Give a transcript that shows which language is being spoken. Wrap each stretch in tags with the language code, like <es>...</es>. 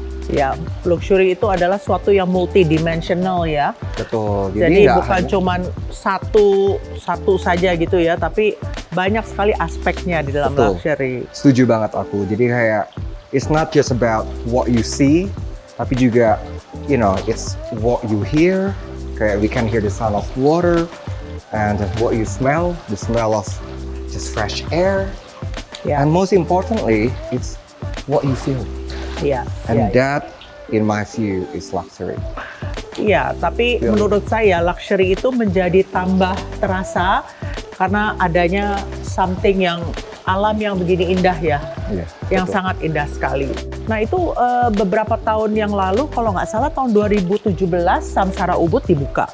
<id>Ya, luxury itu adalah suatu yang multidimensional ya. Betul. Jadi bukan cuma satu saja gitu ya, tapi banyak sekali aspeknya di dalam betul. Luxury. Setuju banget aku. Jadi kayak</id> <en>it's not just about what you see,</en> <id>tapi juga</id> <en>you know, it's what you hear. Kayak we can hear the sound of water and what you smell, the smell of just fresh air. Yeah. And most importantly, it's what you feel. Yeah, and yeah, that in my view is luxury.</en> <id>Iya,</id> <en>yeah,</en> <id>tapi</id> <en>really?</en> <id>Menurut saya luxury itu menjadi tambah terasa karena adanya something yang alam yang begini indah ya.</id> <en>Yeah,</en> <id>yang betul. Sangat indah sekali. Nah, itu beberapa tahun yang lalu kalau enggak salah tahun 2017 Samsara Ubud dibuka.</id>